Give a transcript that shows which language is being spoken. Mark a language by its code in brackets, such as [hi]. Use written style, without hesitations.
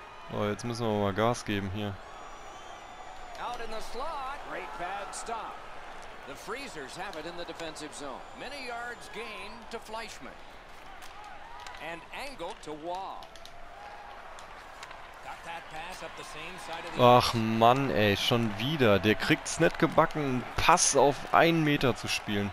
[de] Oh, jetzt müssen wir mal Gas geben hier. [en] Out in the slot, great pad stop. The Freezers have it in the defensive zone. Many yards gained to Fleischmann. And angle to Wall. Got that pass up the same side of the... [de] Ach Mann, ey, schon wieder. Der kriegt's nicht gebacken, einen Pass auf einen Meter zu spielen.